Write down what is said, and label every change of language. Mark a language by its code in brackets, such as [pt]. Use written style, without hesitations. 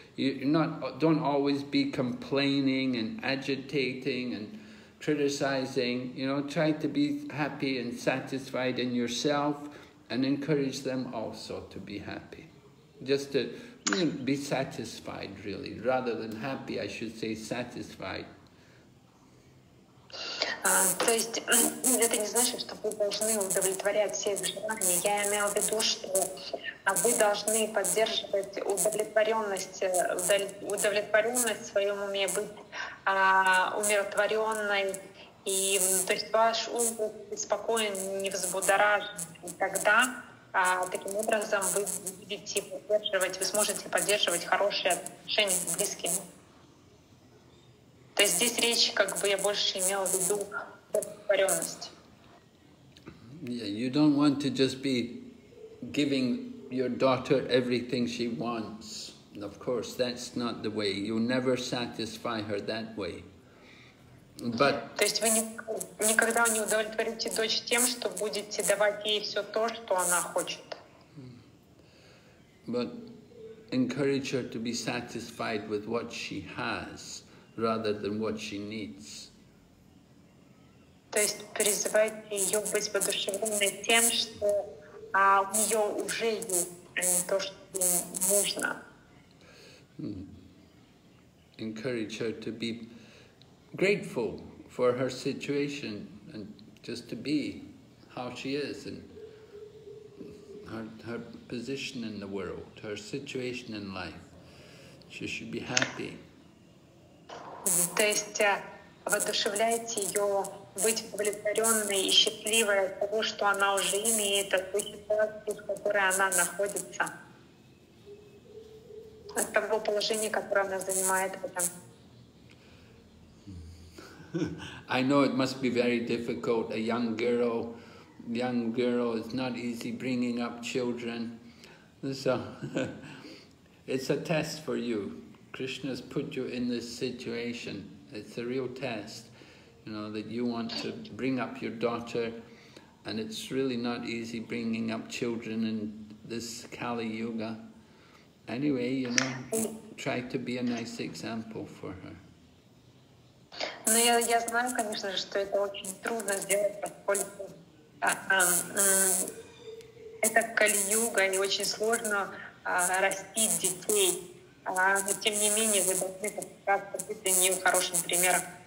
[en] You don't always be complaining and agitating and criticizing, you know, try to be happy and satisfied in yourself and encourage them also to be happy. Just to be satisfied, really, rather than happy, I should say satisfied. [ru] То есть это не значит, что вы должны удовлетворять все желания. Я имела в виду, что вы должны поддерживать удовлетворенность в своем уме, быть умиротворенной, и то есть ваш ум будет спокоен, не взбудоражен, и тогда таким образом вы будете поддерживать, вы сможете поддерживать хорошие отношения с близкими. То есть здесь речь, как бы, я больше имела в виду удовлетворенность. [en] Yeah, you don't want to just be giving your daughter everything she wants. Of course, that's not the way. You'll never satisfy her that way. But... [ru] То есть вы никогда не удовлетворите дочь тем, что будете давать ей все то, что она хочет. [en] But encourage her to be satisfied with what she has, rather than what she needs. [ru] То есть призывать ее быть воодушевленной тем, что у нее уже есть, а не то, что нужно. [en] Encourage her to be grateful for her situation and just to be how she is and her position in the world, her situation in life. She should be happy. [ru] То есть воодушевляйте ее быть удовлетворенной и счастливой от того, что она уже имеет, от той ситуации, в которой она находится. от того положения, которое она занимает в этом. [en] I know it must be very difficult. A young girl, it's not easy bringing up children. So, it's a test for you. Krishna's put you in this situation. It's a real test, you know, that you want to bring up your daughter, and it's really not easy bringing up children in this Kali Yuga. Anyway, you know, try to be a nice example for her. [ru] Ну, я знаю, конечно же, что это очень трудно сделать, поскольку это кали-юга, и очень сложно растить детей. Но тем не менее, вы должны попытаться быть для нее хорошим примером.